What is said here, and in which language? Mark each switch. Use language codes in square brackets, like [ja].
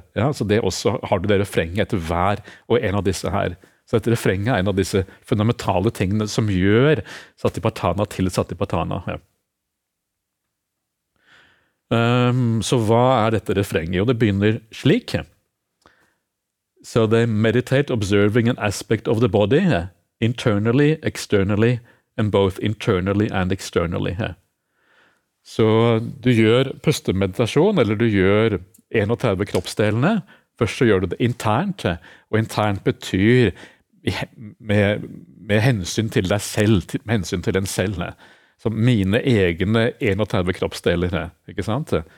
[no] Ja, så det også har du det refrenget etter hver og en av disse her. Så dette refrenget en av disse fundamentale tingene som gjør Satipatthana til Satipatthana. Ja. Så hva dette refrenget? Jo, det begynner slik. [en] So they meditate observing an aspect of the body, internally, externally, and both internally and externally. [no] Så du gjør pustemeditasjon, eller du gjør 31 kroppsdelene. Først så gjør du det internt, og internt betyr med hensyn til deg selv, med hensyn til en selv, som mine egne 31 kroppsdeler, ikke sant?